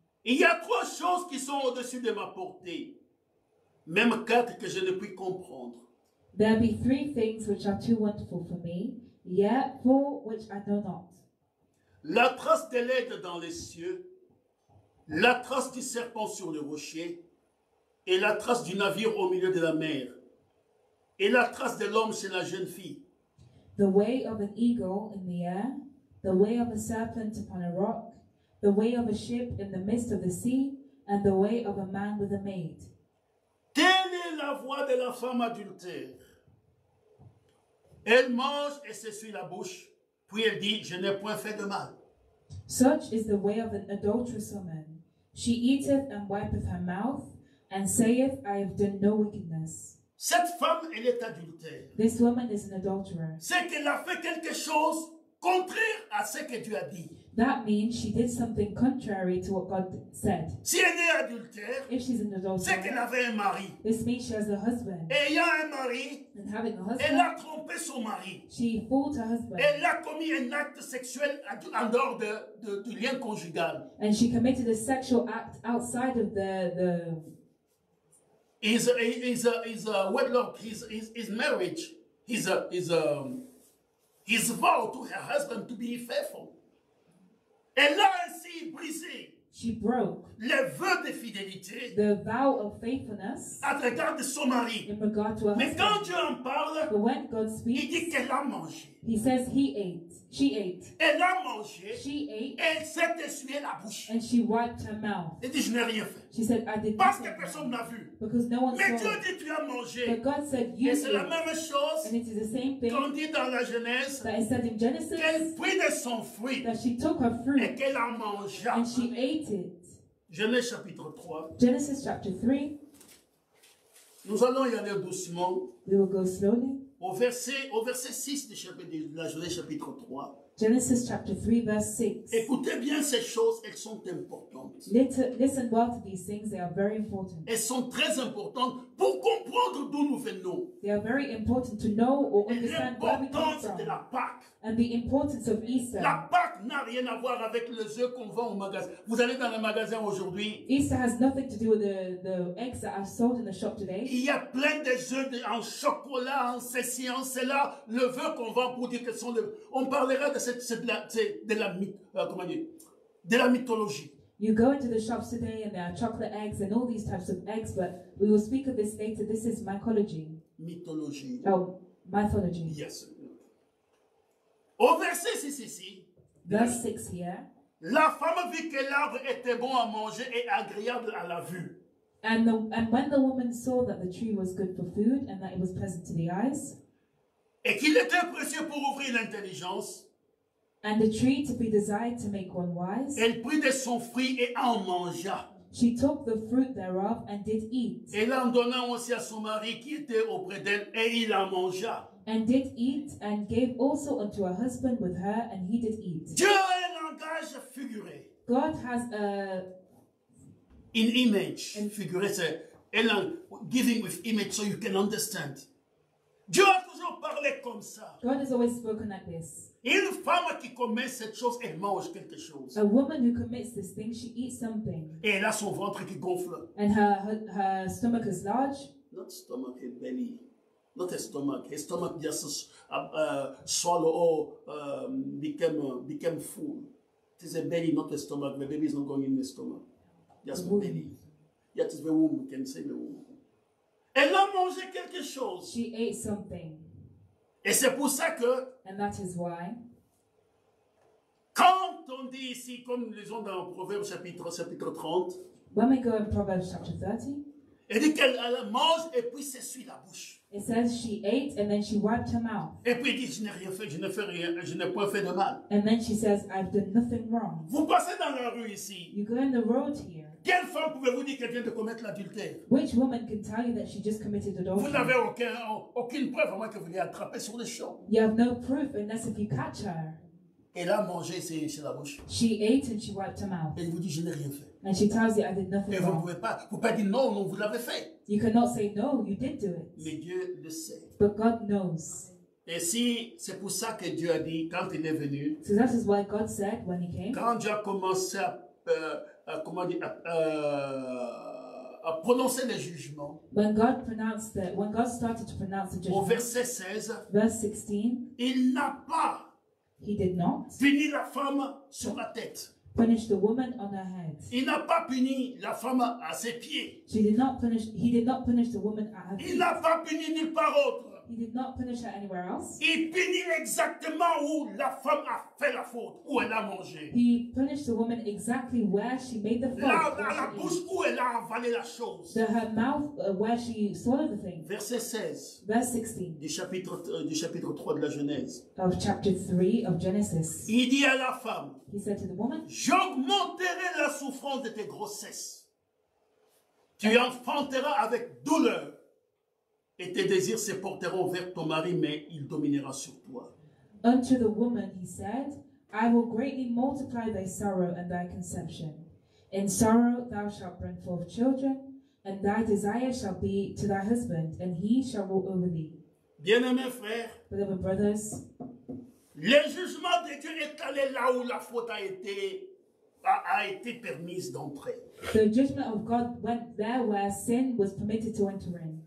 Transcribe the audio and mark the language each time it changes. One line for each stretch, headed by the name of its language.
French: Il y a trois choses qui sont au-dessus de ma portée, même quatre que je ne puis comprendre.
English: There be three things which are too wonderful for me, yet four which I know not.
French: La trace de l'aigle dans les cieux, la trace du serpent sur le rocher, et la trace du navire au milieu de la mer. Et la trace de l'homme, c'est la jeune fille.
English: The way of an eagle in the air, the way of a serpent upon a rock, the way of a ship in the midst of the sea, and the way of a man with a maid.
French: Telle est la voix de la femme adultère. Elle mange et s'essuie la bouche, puis elle dit, je n'ai point fait de mal.
English: Such is the way of an adulterous woman. She eateth and wipeth her mouth, and saith, I have done no wickedness.
French: Cette femme, elle est adultère.
English: This woman is an adulterer.
French: C'est qu'elle a fait quelque chose contraire à ce que Dieu a dit.
English: That means she did something contrary to what God said.
French: Si elle est adultère,
English: if she's an adulterer,
French: c'est qu'elle avait un mari.
English: This means she has a husband.
French: Ayant un mari,
English: and having a husband,
French: elle a trompé son mari.
English: She fooled her husband.
French: Elle a commis un acte sexuel en dehors du lien conjugal.
English: And she committed a sexual act outside of the His marriage, his vow to her husband to be faithful.
French: Elle a ainsi brisé.
English: She She broke
French: le vœu de fidélité,
English: the vow of faithfulness,
French: à l'égard de son mari.
English: In regard to her
French: mais
English: husband.
French: Quand Dieu en parle,
English: but when God speaks,
French: il dit qu'elle a mangé.
English: He says he ate. She ate.
French: Elle a mangé.
English: She ate.
French: Elle s'est essuyée la bouche.
English: And she wiped her mouth.
French: Elle dit je n'ai rien fait.
English: She said I did nothing.
French: Parce que personne n'a vu.
English: Because no one
French: mais
English: saw.
French: Mais Dieu dit tu as mangé.
English: But God said you
French: et c'est
English: ate.
French: La même chose.
English: And it is the same thing.
French: Qu'on dit dans la Genèse.
English: That it said in Genesis.
French: Qu'elle prit de son fruit.
English: That she took her fruit.
French: Et qu'elle en mangea.
English: And she ate it.
French: Genèse chapitre 3.
English: Genesis chapter 3.
French: Nous allons y aller doucement.
English: We will go slowly.
French: Au verset 6 du chapitre de la Genèse chapitre 3.
English: Genesis chapter 3 verse 6.
French: Écoutez bien ces choses, elles sont importantes.
English: Listen well to these things, they are very important.
French: Elles sont très importantes pour comprendre d'où nous venons.
English: They are very important to know or understand where we come from.
French: De la Pâque.
English: And the importance of Easter.
French: La Pâque n'a rien à voir avec les œufs qu'on vend au magasin. Vous allez dans le magasin aujourd'hui.
English: Easter has nothing to do with the eggs that are sold in the shop today.
French: Il y a plein de œufs en chocolat, en ceci, en cela, le vœu qu'on vend pour dire que ce sont les. On parlera de la mythologie.
English: You go into the shops today and there are chocolate eggs and all these types of eggs, but we will speak of this later. This is mycology.
French: Mythologie.
English: Oh, mythology. Yes.
French: Au verset 6 ici.
English: Verse 6 here.
French: La femme vit que l'arbre était bon à manger et agréable à la vue.
English: And when the woman saw that the tree was good for food and that it was pleasant to the eyes.
French: Et qu'il était précieux pour ouvrir l'intelligence.
English: And the tree to be desired to make one wise.
French: Elle prit de son fruit et en mangea.
English: She took the fruit thereof and did eat.
French: Et l'en donna aussi à son mari qui était auprès d'elle et il en mangea.
English: And did eat and gave also unto her husband with her and he did eat.
French: Dieu a un langage figuré.
English: God has a... In image. In figuré,
French: c'est
English: Ellen giving with image so you can understand.
French: Dieu a toujours parlé comme ça.
English: God has always spoken like this.
French: Une femme qui commet cette chose, elle mange quelque chose.
English: A woman who commits this thing, she eats something.
French: Et elle a son ventre qui gonfle.
English: And her stomach is large. Not stomach, her belly. Not her stomach. Her stomach just swallow or become full. It is a belly, not a stomach. My baby is not going in the stomach. Just my belly. Yeah, it is the womb. We can say the womb.
French: Elle a mangé quelque chose.
English: She ate something.
French: Et c'est pour ça que.
English: And that is why.
French: Quand on dit ici, comme nous lisons dans Proverbes chapitre 30.
English: When we go in Proverbs chapter 30.
French: Elle dit qu'elle mange et puis s'essuie la bouche.
English: It says she ate and then she wiped her mouth.
French: Et puis elle dit, je n'ai rien fait, je ne fais rien, je n'ai point fait de mal.
English: And then she says, I've done nothing wrong.
French: Vous passez dans la rue ici.
English: You go in the road here.
French: Quelle femme pouvez-vous dire qu'elle vient de commettre l'adultère?
English: Which woman can tell you that she just committed adultery?
French: Vous n'avez aucune preuve à moins que vous l'ayez attrapée sur le champ.
English: You have no proof unless if you catch her.
French: Elle a mangé sur la bouche.
English: She ate and she wiped her mouth.
French: Elle vous dit je n'ai rien fait.
English: And she tells you I did nothing.
French: Et vous pouvez pas, vous pouvez dire non, vous l'avez fait.
English: You cannot say no, you did do it.
French: Mais Dieu le sait.
English: But God knows.
French: Et si c'est pour ça que Dieu a dit quand il est venu.
English: So that is why God said when he came.
French: Quand Dieu a commencé à prononcer les jugements.
English: When God started to pronounce the judgment.
French: Au verset 16.
English: Verse 16.
French: Il n'a pas.
English: He did not.
French: Puni la femme sur la tête.
English: Punished the woman on her head.
French: Il n'a pas puni la femme à ses pieds.
English: He did not punish the woman at her feet.
French: Il n'a pas puni nulle part autre.
English: He did not punish her anywhere else.
French: Il punit exactement où la femme a fait la faute, où elle a mangé.
English: He punished the woman exactly where she made the fault.
French: Là, la bouche où elle a avalé la chose.
English: So her mouth, where she swallowed the thing.
French: Verset 16.
English: Verse 16.
French: Du chapitre 3 de la Genèse.
English: Of chapter 3 of Genesis.
French: Il dit à la femme.
English: He said to the woman.
French: J'augmenterai la souffrance de tes grossesses. Tu enfanteras avec douleur. Et tes désirs se porteront vers ton mari, mais il dominera sur toi.
English: Unto the woman he said, I will greatly multiply thy sorrow and thy conception. In sorrow thou shalt bring forth children, and thy desire shall be to thy husband, and he shall rule over thee.
French: Bien-aimés frères,
English: beloved brothers,
French: le jugement de Dieu est allé là où la faute a été permise d'entrer.
English: The judgment of God went there where sin was permitted to enter in.